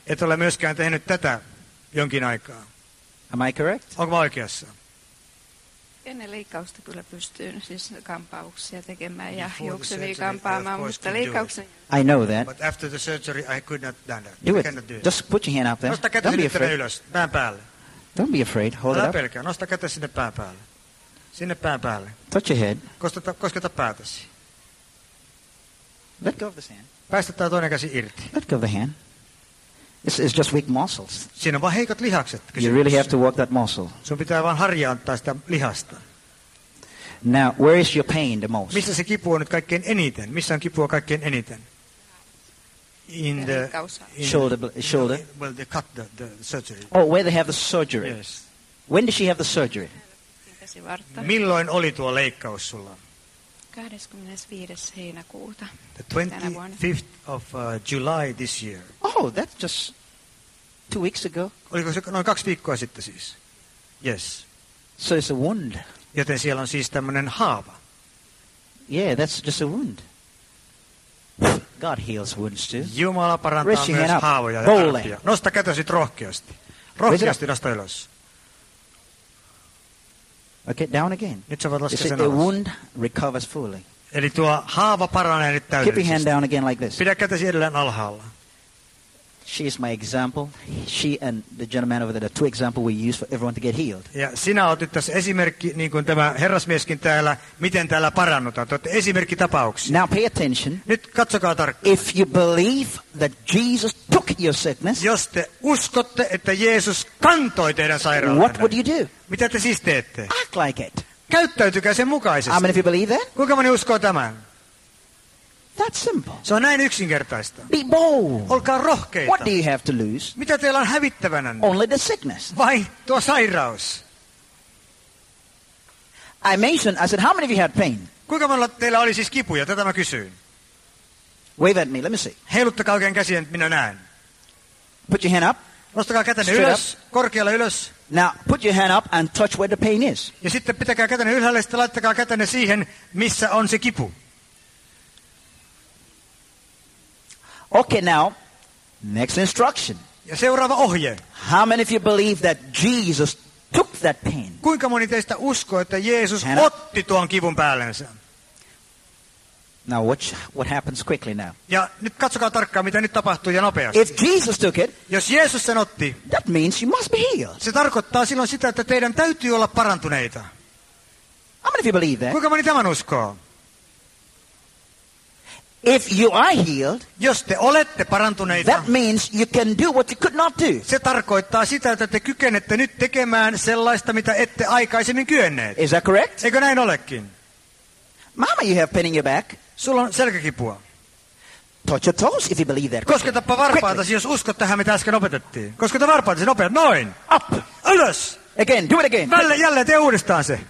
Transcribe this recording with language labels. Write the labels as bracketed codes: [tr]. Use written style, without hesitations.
[fi] Et ole myöskään tehnyt tätä jonkin aikaa. [en] Am I correct? [fi] Onko mä oikeassa? Ennen leikkausta kyllä pystyn siis kampauksia tekemään ja juoksevia kampaamaan, mutta leikkauksen. [en] I know that. But after the surgery I could not done that. Do I it. Cannot do Just put your hand up there. [fi] Nosta kättä sinne tänne ylös, pään päälle. [en] Don't be afraid. Hold [fi] Älä [en] it up. [fi] Pelkää. Nosta kättä sinne pään päälle. Sinne pään päälle. [en] Touch your head. [fi] Kosketa päätäsi. [en] Let go of this hand. [fi] Päästä tämä toinen käsi irti. [en] Let go of the hand. It's just weak muscles. [fi] Siinä on vaan heikot lihakset. Kysymys. [en] You really have to work that muscle. [fi] Sun pitää vaan harjaantaa sitä lihasta. [en] Now, where is your pain the most? [fi] Missä se kipu on nyt kaikkein eniten? Missä on kipua kaikkein eniten? [en] In the shoulder. Well, they cut the surgery. Oh, where they have the surgery. Yes. When did she have the surgery? [fi] Milloin oli tuo leikkaus sulla? 25. heinäkuuta. [en] The 25th of July this year. Oh, that's just 2 weeks ago. [fi] Oliko se noin 2 viikkoa sitten siis? [en] Yes. So it's a wound. [fi] Joten siellä on siis tämmönen haava. [en] Yeah, that's just a wound. God heals wounds too. [fi] Jumala parantaa Rishing myös haavoja ja tarpeja. Nosta kätäsi rohkeasti. Rohkeasti nosta ylös. [en] Okay, down again. [fi] Nyt sä voit laskea sen alas. [en] The wound recovers fully. [fi] Eli tuo haava paranee nyt täydellisesti. [en] Keep your hand down again like this. [fi] Pidä kätesi edelleen alhaalla. [en] She is my example. She and the gentleman over there are two examples we use for everyone to get healed. [fi] Ja sinä otit tässä esimerkki, niin kuin tämä herrasmieskin täällä, miten täällä parannutaan. Tuotte esimerkki tapauksia. [en] Now pay attention. [fi] Nyt katsokaa tarkkaan. [en] If you believe that Jesus took your sickness, [fi] jos te uskotte, että Jeesus kantoi teidän sairautenne, [en] what would you do? [fi] Mitä te siis teette? [en] Act like it. [fi] Käyttäytykää sen mukaisesti. [en] I mean, if you believe that? [fi] Kuinka moni uskoo tämän? [en] That's simple. [fi] Se on näin yksinkertaista. [en] Be bold. [fi] Olkaa rohkeita. [en] What do you have to lose? [fi] Mitä teillä on hävittävänä? [en] Only the sickness. [fi] Vai tuo sairaus? [en] I mentioned, I said, how many of you had pain? [fi] Kuinka monella teillä oli siis kipuja? Tätä mä kysyin. [en] Wave at me, let me see. [fi] Heiluttakaa oikein käsiä, että minä näen. [en] Put your hand up. [fi] Nostakaa kätänne ylös, korkealle ylös. [en] Now put your hand up and touch where the pain is. [fi] Ja sitten pitäkää kätänne ylhäällä, sitten laittakaa kätänne siihen, missä on se kipu. [en] Okay, now, next instruction. [fi] Ja seuraava ohje. [en] How many of you believe that Jesus took that pain? [fi] Kuinka moni teistä uskoo, että Jeesus otti tuon kivun päällensä? [en] Now watch what happens quickly now. [fi] Ja nyt katsokaa tarkkaan, mitä nyt tapahtuu ja nopeasti. [en] If Jesus took it, [fi] jos Jeesus sen otti, [en] that means you must be healed. [fi] Se tarkoittaa silloin sitä, että teidän täytyy olla parantuneita. [en] How many of you believe that? [fi] Kuinka moni tämän uskoo? [en] If you are healed, [fi] jos te olette parantuneita, [en] that means you can do what you could not do. [fi] Se tarkoittaa sitä, että te kykenette nyt tekemään sellaista, mitä ette aikaisemmin kyenneet. [en] Is that correct? [fi] Eikö näin olekin? [en] Mama, you have pain in your back. [fi] Sulla on selkäkipua. [en] Touch your toes if you believe that. [fi] Kosketapa varpaatasi, jos uskot tähän, mitä äsken opetettiin. Kosketa varpaatasi nopeat. Noin. [en] Up. [fi] Ylös. [en] Again. Do it again. [fi] Välle jälleen, tee uudestaan se.